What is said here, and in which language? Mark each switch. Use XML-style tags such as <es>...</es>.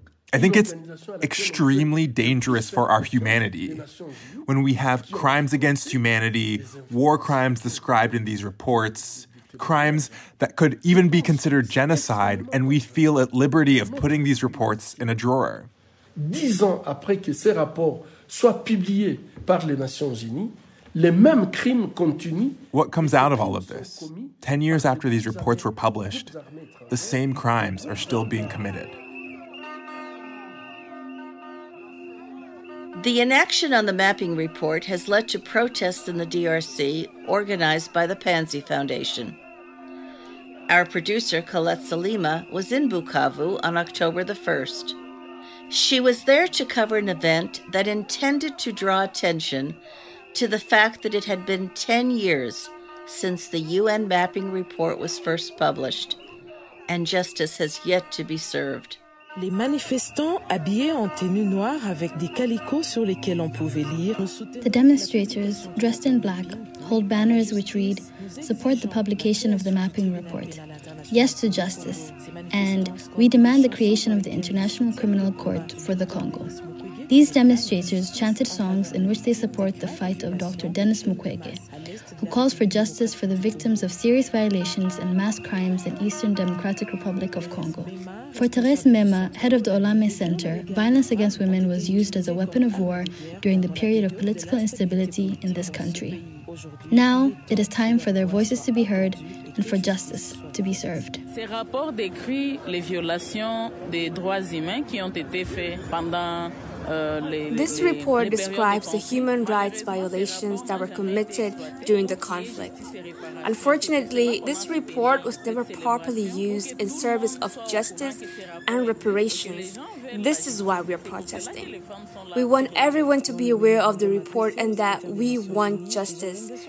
<en>I think it's extremely dangerous for our humanity when we have crimes against humanity, war crimes described in these reports, crimes that could even be considered genocide, and we feel at liberty of putting these reports in a drawer.</en> <fr>10 ans après que ces rapports soient publiés par les Nations Unies, les mêmes crimes continuent.</fr> <en>What comes out of all of this? 10 years after these reports were published, the same crimes are still being committed. The inaction on the mapping report has led to protests in the DRC organized by the Panzi Foundation. Our producer, Colette Salima, was in Bukavu on October the 1st. She was there to cover an event that intended to draw attention to the fact that it had been 10 years since the UN mapping report was first published, and justice has yet to be served.</en> <fr>Les manifestants habillés en tenue noire avec des calicots sur lesquels on pouvait lire.</fr> <en>The demonstrators, dressed in black, hold banners which read, "Support the publication of the mapping report. Yes to justice. And we demand the creation of the International Criminal Court for the Congo." These demonstrators chanted songs in which they support the fight of Dr. Denis Mukwege, who calls for justice for the victims of serious violations and mass crimes in Eastern Democratic Republic of Congo. For Therese Mema, head of the Olame Center, violence against women was used as a weapon of war during the period of political instability in this country. Now, it is time for their voices to be heard and for justice to be served.</en> <fr>Ces rapports décrit les violations des droits humains qui ont été faits pendant.</fr> <en>This report describes the human rights violations that were committed during the conflict. Unfortunately, this report was never properly used in service of justice and reparations. This is why we are protesting. We want everyone to be aware of the report and that we want justice.</en>